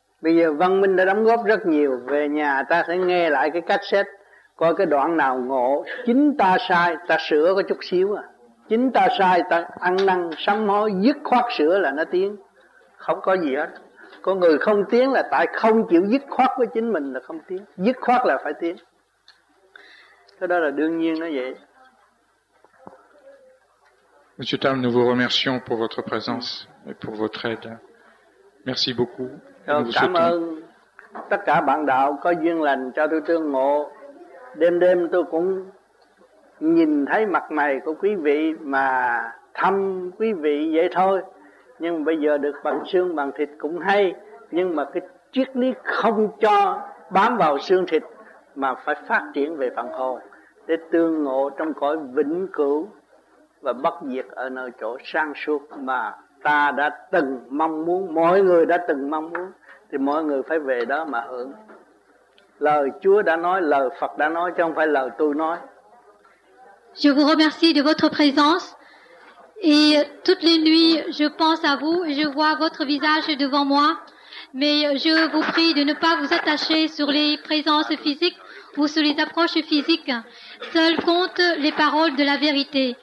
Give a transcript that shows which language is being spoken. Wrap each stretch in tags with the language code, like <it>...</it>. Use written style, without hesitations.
<vi>Bây giờ Văn Minh đã đóng góp rất nhiều, về nhà ta sẽ nghe lại cái cassette, coi cái đoạn nào ngộ, chính ta sai ta sửa có chút xíu à. Chính ta sai ta ăn năn sám hối, dứt khoát sửa là nó tiến, không có gì hết. Con người không tiến là tại không chịu dứt khoát với chính mình là không tiến, dứt khoát là phải tiến. Cái đó là đương nhiên nó vậy.</vi> <fr>Monsieur Tam, nous vous remercions pour votre présence et pour votre aide. Merci beaucoup.</fr> <vi>Cảm ơn tất cả bạn đạo có duyên lành cho tôi tương ngộ. Đêm đêm tôi cũng nhìn thấy mặt mày của quý vị mà thăm quý vị vậy thôi. Nhưng bây giờ được bằng xương bằng thịt cũng hay. Nhưng mà cái triết lý không cho bám vào xương thịt mà phải phát triển về phần hồn, để tương ngộ trong cõi vĩnh cửu và bất diệt ở nơi chỗ sang suốt mà ta đã từng mong muốn, mọi người đã từng mong muốn, thì mọi người phải về đó mà hưởng. Lời Chúa đã nói, lời Phật đã nói, chứ không phải lời tôi nói.</vi> <fr>Je vous remercie de votre présence et toutes les nuits je pense à vous et je vois votre visage devant moi, mais je vous prie de ne pas vous attacher sur les présences physiques ou sur les approches physiques. Seules comptent les paroles de la vérité.</fr>